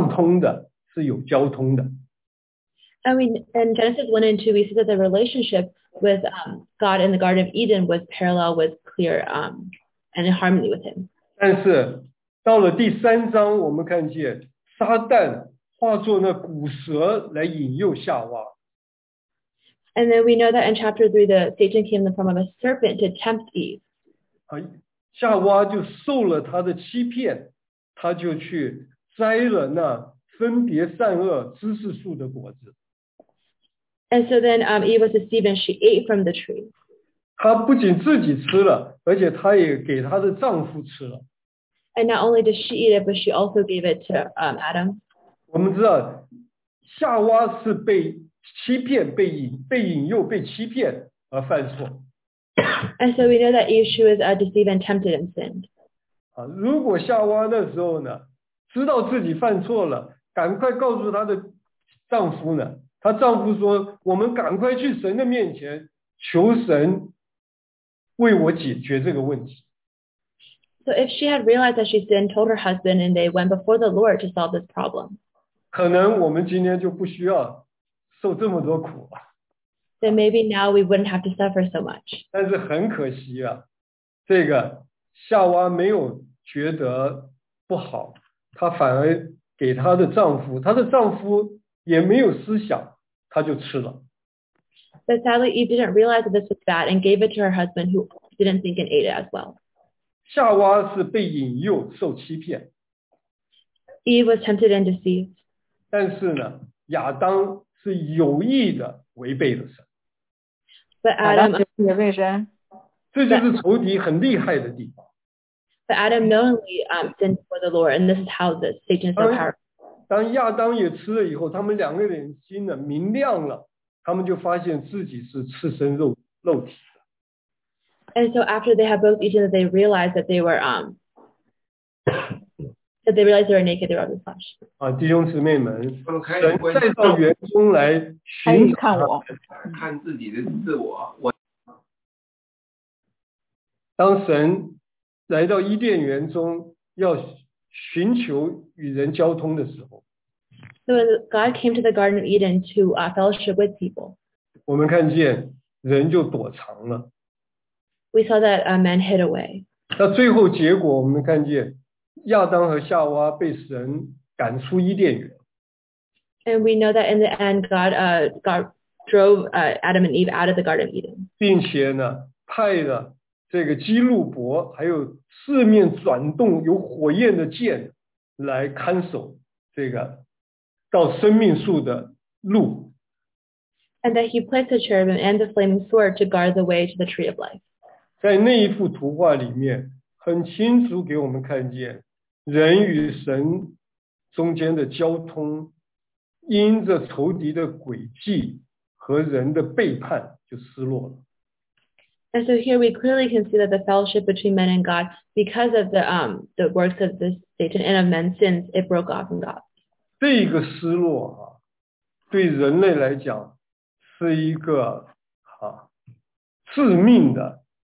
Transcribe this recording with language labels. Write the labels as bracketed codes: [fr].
[zh] 我们读创世纪第一章到第二章，我们看见人在伊甸园里面跟神之间的关系是和谐的，是畅通的，是有交通的。 [en] And in Genesis 1 and 2, we see that the relationship with God in the Garden of Eden was parallel, was clear, and in harmony with Him. [zh] 但是到了第三章，我们看见撒旦化作那古蛇来引诱夏娃。 [en] And then we know that in chapter 3, the Satan came in the form of a serpent to tempt Eve. [zh] 夏娃就受了他的欺骗，他就去摘了那分别善恶知识树的果子。 [en] And so then Eve was deceived and she ate from the tree. [zh] 她不仅自己吃了，而且她也给她的丈夫吃了。 [en] And not only did she eat it, but she also gave it to Adam. [zh] 我们知道夏娃是被欺骗、被引诱、被欺骗而犯错。 [en] And so we know that Eve, she was deceived and tempted and sinned. [zh] 如果夏娃那时候呢，知道自己犯错了，赶快告诉她的丈夫呢，她丈夫说，我们赶快去神的面前求神为我解决这个问题。 [en] So if she had realized that she sinned, told her husband, and they went before the Lord to solve this problem, [zh] 可能我们今天就不需要受这么多苦了。 [en] Then maybe now we wouldn't have to suffer so much. [zh] 但是很可惜啊，这个夏娃没有觉得不好，她反而给她的丈夫，她的丈夫也没有思想，她就吃了。 [en] But sadly, Eve didn't realize that this was bad and gave it to her husband, who didn't think and ate it as well. [zh] 夏娃是被引诱受欺骗。 [en] Eve was tempted and deceived. [zh] 但是呢，亚当是有意的违背了神。 [en] But Adam [zh] 也为神。这就是仇敌很厉害的地方。 [en] But Adam knowingly sinned before the Lord, and this is how the Satan is so powerful. [zh] 当亚当也吃了以后，他们两个人心呢明亮了，他们就发现自己是赤身肉体。 [en] And so after they had both eaten, they realized that they were that they realized they were naked, they were out of the flesh. [zh] 啊，弟兄姊妹们，神再到园中来寻找，看我，看自己的自我。当神来到伊甸园中要寻求与人交通的时候 [en] ，So God came to the Garden of Eden to fellowship with people. [zh] 我们看见人就躲藏了。 [en] We saw that a man hid away. [zh] 那最后结果我们看见亚当和夏娃被神赶出伊甸园。 [en] And we know that in the end, God drove Adam and Eve out of the Garden of Eden. [zh] 并且呢，派了这个基路伯，还有四面转动有火焰的剑来看守这个到生命树的路。 [en] And that he placed the cherubim and the flaming sword to guard the way to the tree of life. [zh] 在那一幅图画里面，很清楚给我们看见人与神中间的交通，因着仇敌的诡计和人的背叛就失落了。 [en] And so here we clearly can see that the fellowship between men and God, because of the works of this Satan and of men's sins, it broke off from God. [zh] 这个失落啊，对人类来讲是一个啊致命的。